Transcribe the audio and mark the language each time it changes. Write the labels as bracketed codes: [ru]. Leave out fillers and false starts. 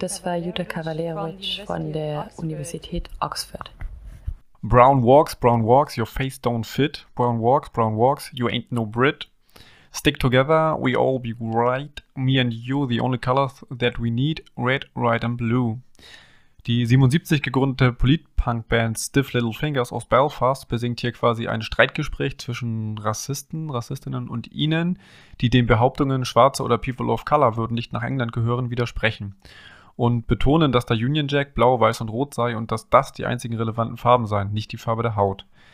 [de] Das war Jutta Kavalerovic von der Universität Oxford. [en] Brown walks, your face don't fit. Brown walks, you ain't no Brit. Stick together, we all be right. Me and you, the only colors that we need, red, white and blue. [de] Die 77 gegründete Politpunk-Band Stiff Little Fingers aus Belfast besingt hier quasi ein Streitgespräch zwischen Rassisten, Rassistinnen und ihnen, die den Behauptungen, Schwarze oder People of Color würden nicht nach England gehören, widersprechen und betonen, dass der Union Jack blau, weiß und rot sei und dass das die einzigen relevanten Farben seien, nicht die Farbe der Haut.